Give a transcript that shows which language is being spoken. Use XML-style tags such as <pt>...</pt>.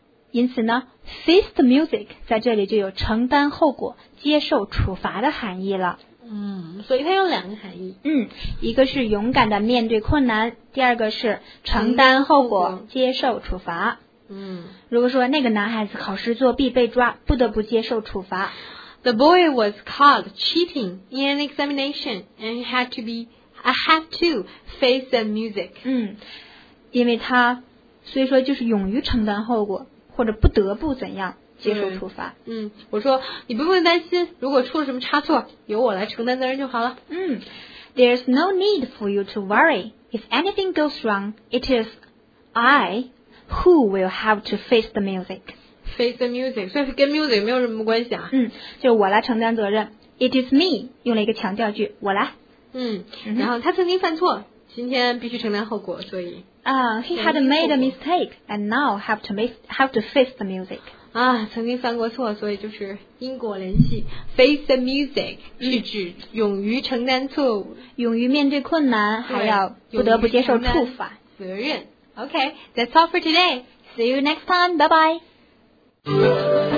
<zh>因此呢 face the music 在这里就有承担后果接受处罚的含义了。所以它有两个含义。一个是勇敢的面对困难，第二个是承担后果接受处罚。如果说那个男孩子考试作弊被抓，不得不接受处罚。</zh> <en>The boy was caught cheating in an examination and he had to be, I have to face the music.</en> <zh>因为他所以说就是勇于承担后果或者不得不怎样接受处罚。我说你不用担心，如果出了什么差错由我来承担责任就好了。</zh> <en>There's no need for you to worry. If anything goes wrong, it is I who will have to face the music. face the music.</en> <zh>所以跟 music 没有什么关系啊。嗯，就我来承担责任。</zh> <en>It is me.</en> <zh>用了一个强调句，我来。嗯，然后他曾经犯错，今天必须承担后果，所以。</zh> <en>He had made a mistake and now have to face the music.</en> <zh>啊，曾经犯过错，所以就是因果联系。 Face the music 是指勇于承担错误，勇于面对困难，还要不得不接受处罚。责任。</zh> <en>Okay, that's all for today. See you next time. Bye bye.</en>